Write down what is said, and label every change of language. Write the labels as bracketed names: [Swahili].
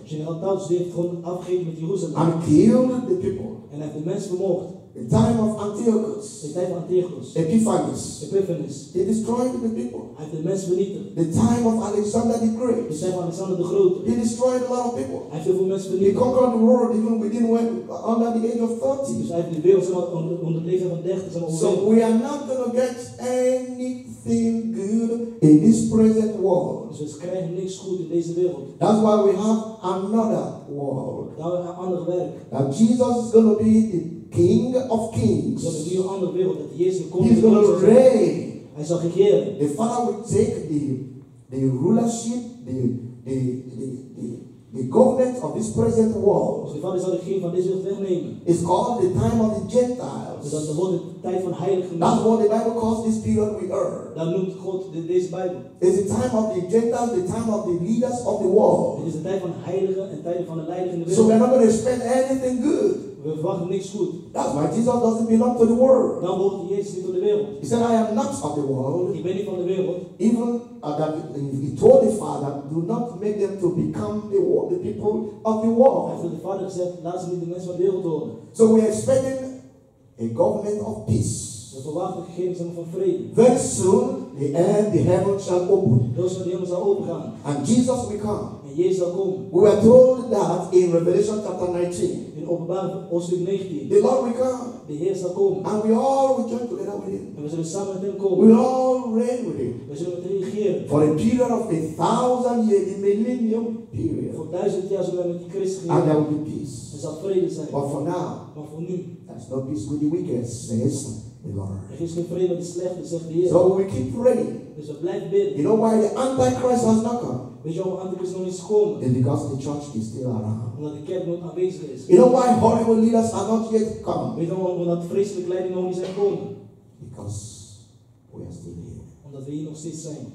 [Dutch] General Titus heeft gewoon afgegeven met Jeruzalem. [English] And killed the people. [Dutch] En heeft de mensen vermoord. [English] The time of Antiochus. [Dutch] De tijd van Antiochus. [English] Epiphanes. [Dutch] Epiphanes. [English] He destroyed the people. [Dutch] Hij heeft de mensen vernietigd. [English] The time of Alexander the Great. [Dutch] De tijd van Alexander de Grote. [English] He destroyed a lot of people. [Dutch] Hij heeft heel veel mensen vernietigd. [English] He conquered the world even within when under the age of 30. [Dutch] Dus hij heeft de wereld zomaar onder de leeftijd van 30 zomaar overleefd. [English] So we are not going to get any feel good in this present world. [Dutch] Dus we krijgen niks goed in deze wereld. [English] That's why we have another world. [Dutch] Daar hebben we ander werk. [English] Now Jesus is going to be the King of Kings. [Dutch] Dat is een andere wereld. Dat Jezus komt. [English] He's going to reign. [Dutch] Hij zal regeren. [English] The Father will take the rulership, the government of this present world. [Dutch] Dus de Vader zal de regering van deze wereld wegnemen. [English] It's called the time of the Gentiles. [Dutch] Dat wordt de tijd van heiligen. [English] That's what the Bible calls this period we are. [Dutch] Dat noemt God deze Bijbel. [English] It's the time of the Gentiles, the time of the leaders of the world. [Dutch] Het is de tijd van heiligen en tijden van de leiders in de wereld. [English] So we're not going to expect anything good. [Dutch] We verwachten niks goed. [English] That's why Jesus doesn't belong to the world. [Dutch] Dan hoort Jezus niet tot de wereld. [English] He said, I am not of the world. [Dutch] Ik ben niet van de wereld. [English] Even that he told the Father, do not make them to become the people of the world. [Dutch] Hij heeft de Vader gezegd, laat ze niet de mensen van de wereld worden. [English] So we're expecting a government of peace. [Dutch] We verwachten gegevens van vrede. [English] Very soon, the end, the heaven shall open. [Dutch] Dus zal de hemel zal opengaan. [English] And Jesus will come. [Dutch] En Jezus zal komen. [English] We were told that in Revelation chapter 19. [Dutch] In Openbaring hoofdstuk 19. [English] The Lord will come. [Dutch] De Heer zal komen. [English] And we all will join together with Him. [Dutch] En we zullen samen met Hem komen. [English] We'll all reign with Him. [Dutch] We zullen met Hem regeren. [English] For a period of 1,000 years, a millennium period. [Dutch] Voor 1,000 jaar zullen we met die Christus regeren. [English] And there will be peace. [Dutch] Er zal vrede zijn. [English] But for now. [Dutch] Maar voor nu. [English] There's no peace with the wicked, says the Lord. [Dutch] Er is geen vrede met de slechten, zegt de Heer. [English] So we keep praying. [Dutch] Dus we blijven bidden. [English] You know why the Antichrist has not come? [Dutch] Weet je waarom Antichrist nog niet is gekomen? [English] It's because the church is still around. [Dutch] Omdat de kerk nog aanwezig is. [English] You know why horrible leaders are not yet come? [Dutch] Weet je waarom dat vreselijke leiding nog niet zijn gekomen? [English] Because we are still here. [Dutch] Omdat we hier nog steeds zijn.